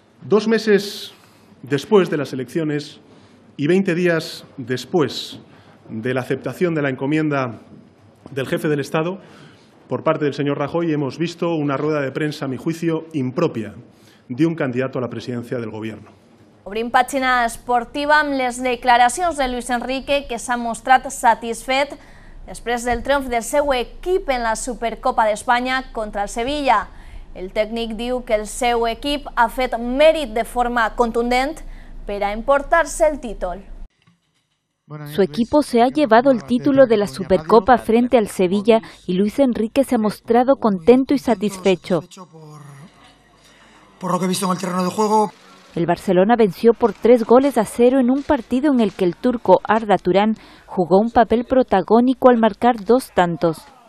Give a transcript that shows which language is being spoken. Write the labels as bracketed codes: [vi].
[es] 2 meses después de las elecciones y 20 días después de la aceptación de la encomienda del jefe del Estado por parte del señor Rajoy, hemos visto una rueda de prensa, a mi juicio, impropia de un candidato a la presidencia del Gobierno. [ca] Obrim pàgina esportiva amb les declaracions de Luis Enrique, que s'ha mostrat satisfet després del triomf del seu equip en la Supercopa d'Espanya contra el Sevilla. El tècnic diu que el seu equip ha fet mèrit de forma contundent per a emportar-se el títol. [es] Su equipo se ha llevado el título de la Supercopa frente al Sevilla y Luis Enrique se ha mostrado contento y satisfecho. Por lo que he visto en el terreno de juego. El Barcelona venció por 3-0 en un partido en el que el turco Arda Turán jugó un papel protagónico al marcar 2 tantos.